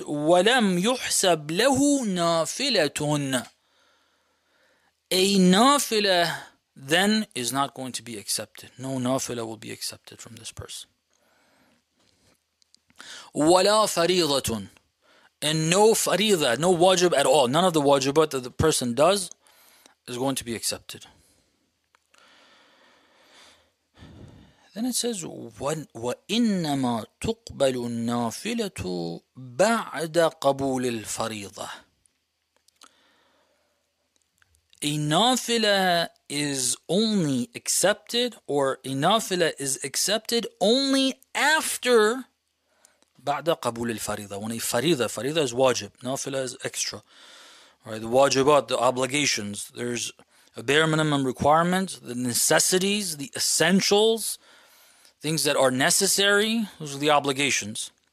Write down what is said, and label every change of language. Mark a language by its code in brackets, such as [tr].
[ar] وَلَمْ يُحْسَبْ لَهُ نَافِلَةٌ, [en] a nafila then is not going to be accepted. No nafila will be accepted from this person. [ar] وَلَا فَرِيضَةٌ, [en] and no fariḍa, no wajib at all. None of the wajibat that the person does is going to be accepted. Then it says, [ar] وَإِنَّمَا تُقْبَلُ النَّافِلَةُ بَعْدَ قَبُولِ الْفَرِيضَةِ. [en] A nafila is only accepted, or a nafila is accepted only after [ar] بَعْدَ قَبُولِ الْفَرِيضَةِ. [en] When a fariḍa, fariḍa is wajib, nafila is extra. Right, the wajibat, the obligations, there's a bare minimum requirement, the necessities, the essentials, things that are necessary, those are the obligations.